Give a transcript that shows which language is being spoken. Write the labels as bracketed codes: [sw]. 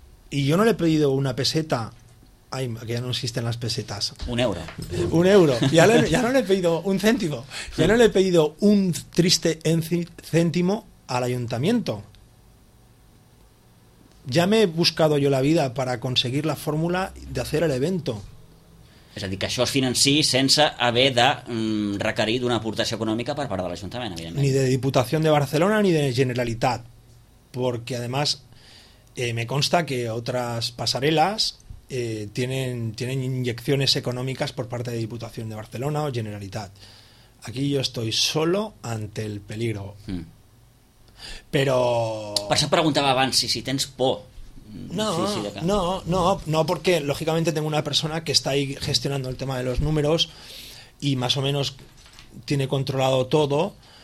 [es] Y yo no le he pedido una peseta. Ay, que ya no existen las pesetas. Un euro. Un euro. Ya no le he pedido un céntimo. Ya no le he pedido un triste céntimo al ayuntamiento. Ya me he buscado yo la vida para conseguir la fórmula de hacer el evento. [ca] És a dir, que això es financia sense haver de requerir d'una aportació econòmica per part de l'Ajuntament, evidentment. [es] Ni de Diputación de Barcelona ni de Generalitat, porque además me consta que otras pasarelas tienen inyecciones económicas por parte de Diputación de Barcelona o Generalitat. Aquí yo estoy solo ante el peligro. Mm. Però... [ca] Per això preguntava abans si tens por [es] No, porque lógicamente tengo una persona que está ahí gestionando el tema de los números y más o menos tiene controlado todo.